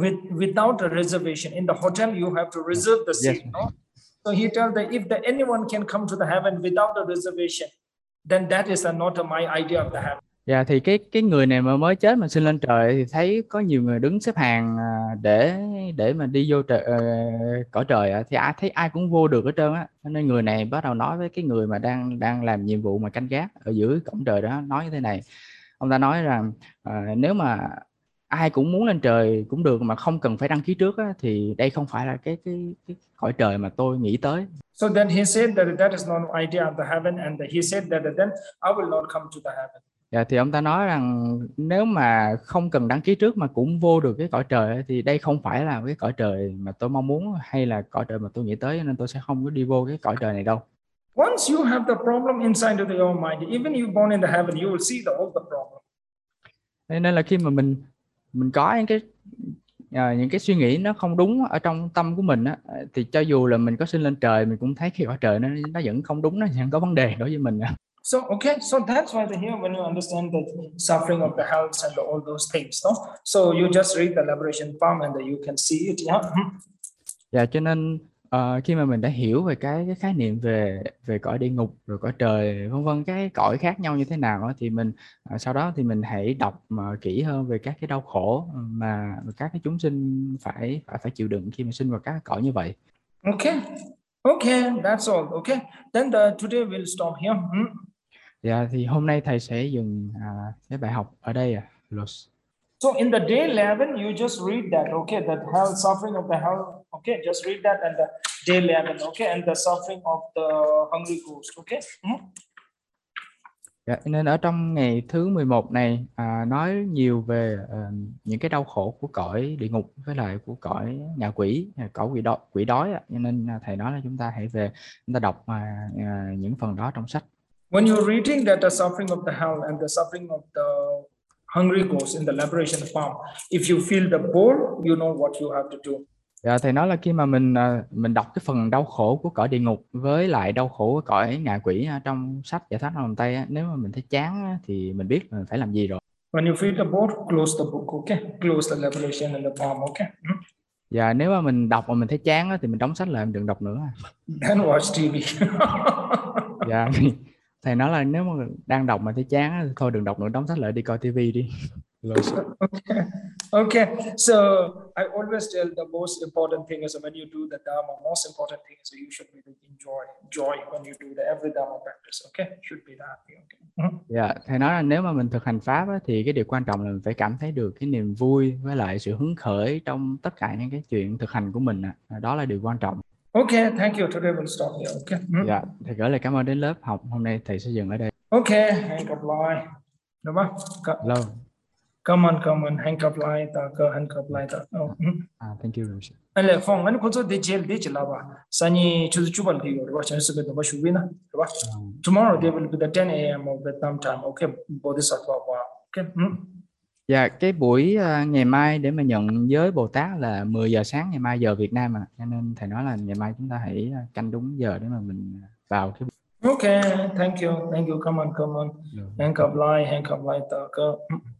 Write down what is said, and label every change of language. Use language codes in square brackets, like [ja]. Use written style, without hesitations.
[en] Without a reservation in the hotel, you have to reserve the Yes. seat. No? So he tells that if the anyone can come to the heaven without a reservation, then that is not my idea of the heaven. [vi] Dạ, thì cái người này mà mới chết mà sinh lên trời thì thấy có nhiều người đứng xếp hàng để mà đi vô trời, cõi trời thì ai thấy ai cũng vô được hết trơn á, nên người này bắt đầu nói với cái người mà đang đang làm nhiệm vụ mà canh gác ở dưới cổng trời đó, nói như thế này. Ông ta nói rằng nếu mà ai cũng muốn lên trời cũng được mà không cần phải đăng ký trước á, thì đây không phải là cái cõi trời mà tôi nghĩ tới. [en] So then he said that that is not idea of the heaven, and he said that then I will not come to the heaven. [vi] Dạ, thì ông ta nói rằng nếu mà không cần đăng ký trước mà cũng vô được cái cõi trời thì đây không phải là cái cõi trời mà tôi mong muốn hay là cõi trời mà tôi nghĩ tới, nên tôi sẽ không có đi vô cái cõi trời này đâu. [en] Once you have the problem inside of your mind, even you born in the heaven, you will see all the problem. [vi] Nên là khi mà mình có những cái suy nghĩ nó không đúng ở trong tâm của mình á, thì cho dù là mình có sinh lên trời mình cũng thấy cái cõi trời nó vẫn không đúng, nó vẫn có vấn đề đối với mình. [en] So that's why here when you understand the suffering of the hell and all those things, no? So you just read the liberation palm and you can see it, yeah. [vi] Dạ, cho nên khi mà mình đã hiểu về cái khái niệm về về cõi địa ngục rồi cõi trời vân vân, cái cõi khác nhau như thế nào đó, thì mình sau đó thì mình hãy đọc kỹ hơn về các cái đau khổ mà các cái chúng sinh phải phải phải chịu đựng khi mà sinh vào các cõi như vậy. [en] Okay, that's all. Okay, then today we'll stop here. [vi] Dạ, thì hôm nay thầy sẽ dừng cái bài học ở đây à. Los. [en] So in the day 11, you just read that, okay, that hell, suffering of the hell, okay, just read that and the day 11, okay, and the suffering of the hungry ghost, okay. [vi] Dạ, nên ở trong ngày thứ 11 này nói nhiều về những cái đau khổ của cõi địa ngục với lại của cõi ngạ quỷ, cõi quỷ đói, quỷ đói à. Nên thầy nói là chúng ta hãy về chúng ta đọc những phần đó trong sách. [en] When you're reading that the suffering of the hell and the suffering of the hungry ghost in the liberation farm, if you feel the bore, you know what you have to do. [vi] Dạ, thầy nói là khi mà mình đọc cái phần đau khổ của cõi địa ngục với lại đau khổ của cõi ngạ quỷ trong sách Giải Thoát Lòng Tay, nếu mà mình thấy chán thì mình biết mình phải làm gì rồi. [en] When you feel the bore, close the book, okay? Close the liberation and the palm, okay? [vi] Dạ, nếu mà mình đọc mà mình thấy chán thì mình đóng sách lại, mình đừng đọc nữa. [en] Then watch TV. [vi] Dạ, thầy nói là nếu mà đang đọc mà thấy chán thì thôi đừng đọc nữa, đóng sách lại đi coi tivi đi. [en] Okay, so I always tell the most important thing is when you do the Dharma, most important thing is you should really enjoy joy when you do the every Dharma practice. Okay, should be that. Okay. [vi] Yeah, thầy nói là nếu mà mình thực hành pháp á, thì cái điều quan trọng là mình phải cảm thấy được cái niềm vui với lại sự hứng khởi trong tất cả những cái chuyện thực hành của mình á. Đó là điều quan trọng. [en] Okay, thank you. Today we'll stop here. Okay. [vi] Yeah, thầy gửi lời cảm ơn đến lớp học hôm nay thầy sẽ dừng ở đây. [en] Okay, hang up line. [vi] Đúng không? [en] Hello. Come on, hang up line. Oh. Thank you. Hello, Phong. [vi] Anh cũng cho digital là ba. Sau này chúng tôi chụp ảnh đi rồi, chúng tôi sẽ đưa vào show viên đó. [en] Tomorrow there will be the 10 a.m. of Vietnam time. Okay, Bodhisattva. Okay. [vi] Dạ, cái buổi ngày mai để mà nhận giới Bồ Tát là 10 giờ sáng ngày mai giờ Việt Nam ạ. Cho nên thầy nói là ngày mai chúng ta hãy canh đúng giờ để mà mình vào cái. [en] Okay, thank you. Come on. Hang up line, Tucker.